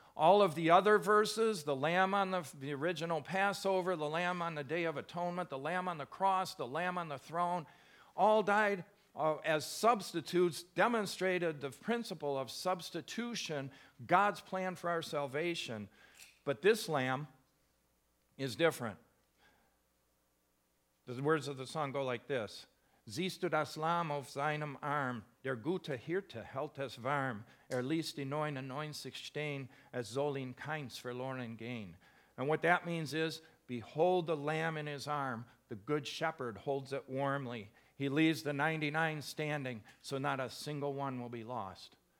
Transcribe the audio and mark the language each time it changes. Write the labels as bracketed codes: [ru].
[en] All of the other verses, the Lamb on the original Passover, the Lamb on the Day of Atonement, the Lamb on the cross, the Lamb on the throne, all died as substitutes, demonstrated the principle of substitution, God's plan for our salvation. But this lamb is different. The words of the song go like this. [de] Siehst du das Lamm auf seinem Arm, der gute Hirte hält es warm, ließ die 99 stehen, es soll ihn keins verloren gehen. [en] And what that means is, behold the lamb in his arm, the good shepherd holds it warmly. He leaves the 99 standing, so not a single one will be lost.